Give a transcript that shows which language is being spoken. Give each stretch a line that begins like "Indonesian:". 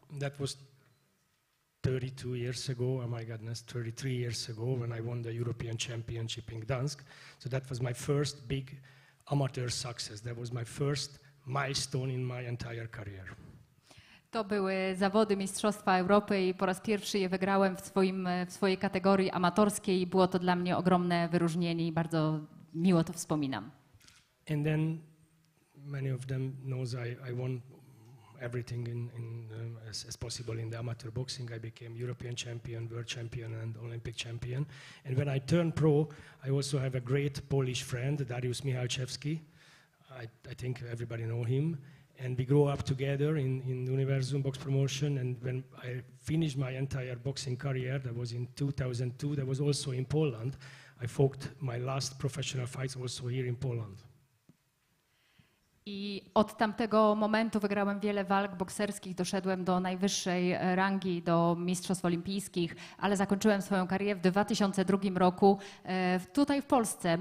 English: That was 32 years ago, oh my goodness, 33 years ago, when I won the European Championship in Gdansk. So that was my first big amateur success. That was my first milestone in my entire career.
Polish: To były zawody Mistrzostwa Europy i po raz pierwszy je wygrałem w swojej kategorii amatorskiej. Było to dla mnie ogromne wyróżnienie i bardzo miło to wspominam.
English: And then many of them knows I won everything as possible in the amateur boxing. I became European champion, world champion, and Olympic champion. And when I turned pro, I also have a great Polish friend, Dariusz Michalczewski. I think everybody know him. And we grew up together in Universum Box Promotion. And when I finished my entire boxing career, that was in 2002, that was also in Poland. I fought my last professional fights also here in Poland.
Polish: I od tamtego momentu wygrałem wiele walk bokserskich, doszedłem do najwyższej rangi, do mistrzostw olimpijskich, ale zakończyłem swoją karierę w 2002 roku tutaj w Polsce.